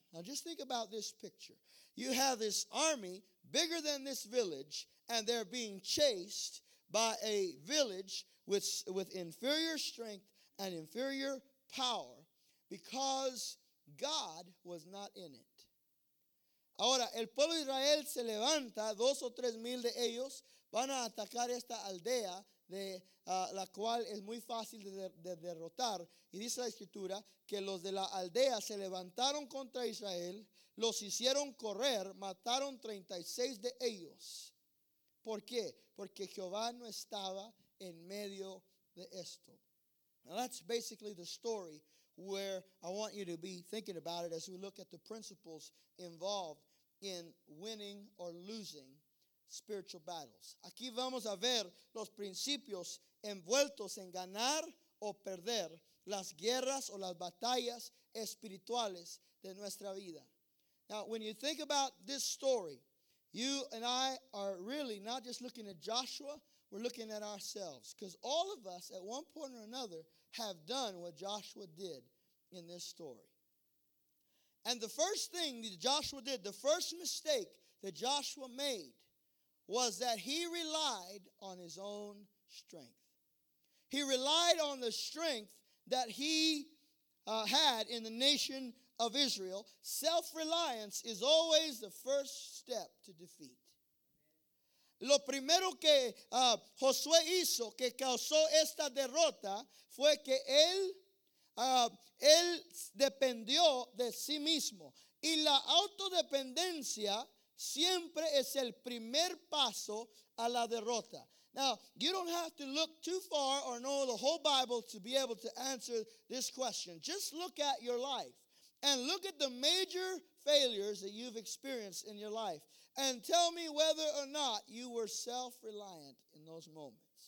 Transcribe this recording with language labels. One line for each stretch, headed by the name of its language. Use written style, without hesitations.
English: Now just think about this picture. You have this army bigger than this village, and they're being chased by a village with inferior strength and inferior power, because God was not in it.
Spanish: Ahora, el pueblo de Israel se levanta, 2,000 or 3,000 de ellos van a atacar esta aldea de la cual es muy fácil de derrotar. Y dice la escritura que los de la aldea se levantaron contra Israel, los hicieron correr, mataron 36 de ellos. ¿Por qué? Porque Jehová no estaba en medio de esto.
English: Now that's basically the story where I want you to be thinking about it as we look at the principles involved in winning or losing spiritual battles.
Spanish: Aquí vamos a ver los principios envueltos en ganar o perder las guerras o las batallas espirituales de nuestra vida.
English: Now, when you think about this story, you and I are really not just looking at Joshua, we're looking at ourselves. Because all of us, at one point or another, have done what Joshua did in this story. And the first thing that Joshua did, the first mistake that Joshua made, was that he relied on his own strength. He relied on the strength that he had in the nation of Israel. Self-reliance is always the first step to defeat.
Spanish: Lo primero que Josué hizo que causó esta derrota fue que él dependió de sí mismo. Y la autodependencia siempre es el primer paso a la derrota.
English: Now, you don't have to look too far or know the whole Bible to be able to answer this question. Just look at your life and look at the major failures that you've experienced in your life. And tell me whether or not you were self-reliant in those moments.